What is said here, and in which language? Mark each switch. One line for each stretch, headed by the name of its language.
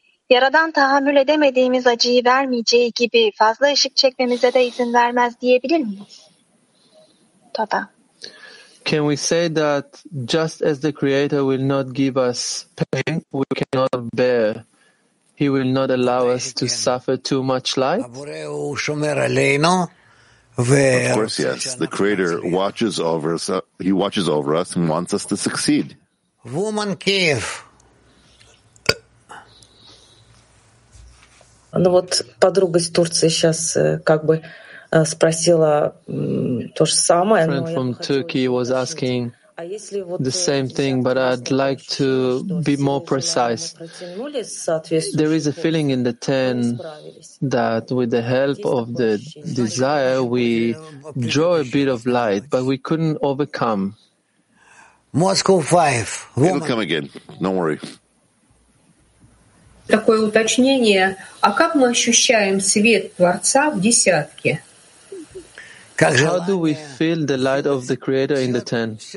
Turkish: Yaradan tahammül edemediğimiz acıyı vermeyeceği gibi fazla ışık çekmemize de izin vermez diyebilir miyiz? Tada.
English: Can we say that just as the Creator will not give us pain, we cannot bear, He will not allow us to suffer too much light? Of course, yes. The Creator watches over us. He watches over us and wants us to succeed. Woman Kiev.
Russian: Ну вот подруга из Турции сейчас как бы спросила то же самое.
English: Friend from Turkey was asking the same thing, but I'd like to be more precise. There is a feeling in the 10 that with the help of the desire, we draw a bit of light, but we couldn't overcome. Moscow 5. Woman. It'll come again. Don't worry.
Russian: Такое уточнение. А как мы ощущаем свет Творца в десятке?
English: How do we feel the light of the Creator in the ten?